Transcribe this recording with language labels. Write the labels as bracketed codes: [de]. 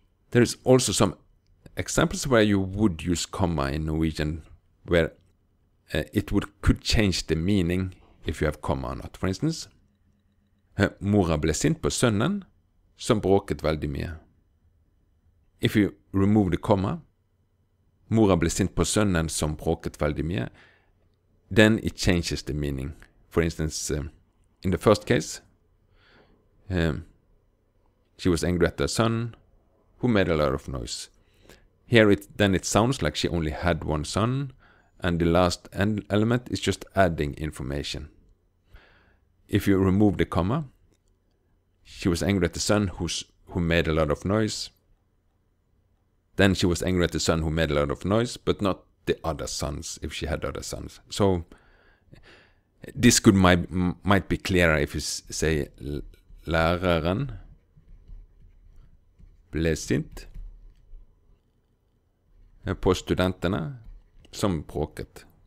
[en] There is also some examples where you would use comma in Norwegian where it would could change the meaning if you have comma or not. For instance, [no] mora ble sint på sønnen som bråket veldig mye. [en] If you remove the comma, [no] mora ble sint på sønnen som bråket veldig mye, [en] then it changes the meaning. For instance, in the first case, she was angry at her son, who made a lot of noise. Here, it sounds like she only had one son, and the last element is just adding information. If you remove the comma, she was angry at the son who made a lot of noise. Then she was angry at the son who made a lot of noise, but not the other sons, if she had other sons. So this could might be clearer if you say [no] læreren ble sint på studentene som bråket.